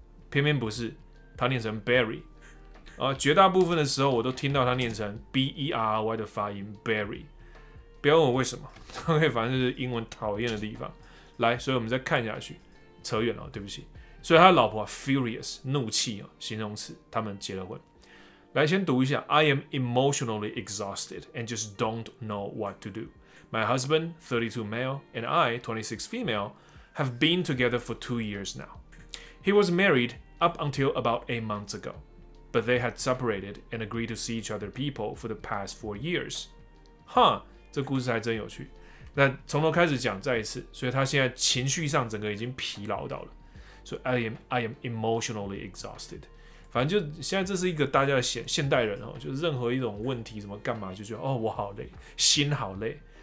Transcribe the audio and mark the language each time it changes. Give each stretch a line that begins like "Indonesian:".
Chinese: 偏偏不是，它念成 berry。绝大部分的时候我都听到它念成 berry 的发音 ，berry。不要问我为什么，OK， 反正就是英文讨厌的地方。来，所以我们再看下去，扯远了，对不起。所以他的老婆 furious， 怒气啊，形容词，他们结了婚。来先读一下
English: ，I am emotionally exhausted and just don't know what to do. My husband, 32 male, and I, 26 female, have been together for 2 years now. He was married up until about 8 months ago, but they had separated and agreed to see each other people for the past 4 years.
Chinese: Huh? 这故事还真有趣。那从头开始讲再一次，所以他现在情绪上整个已经疲劳到了。
English: 所以 I am emotionally exhausted.
Chinese: 反正就现在，这是一个大家的现代人哦，就是任何一种问题，什么干嘛，就觉得哦，我好累，心好累。